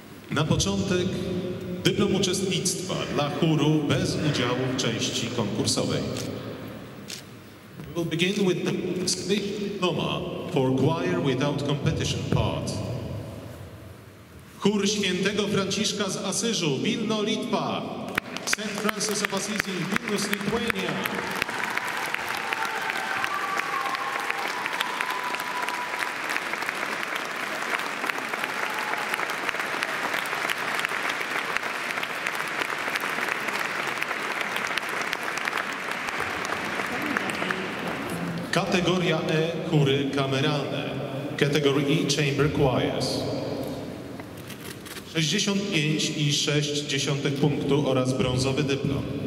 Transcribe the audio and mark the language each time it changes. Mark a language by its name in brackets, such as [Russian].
[Polish] Na początek dyplom uczestnictwa dla chóru bez udziału w części konkursowej. [English] We will begin with the diploma for choir without competition part. [Polish] Chór Świętego Franciszka z Asyżu, Wilno, Litwa. St. [English] Francis of Assisi, Vilnius, Lithuania. [Polish] Kategoria E, chóry kameralne. [English] Category E, chamber choirs. [Polish] 65,6 punktu oraz brązowy dyplom.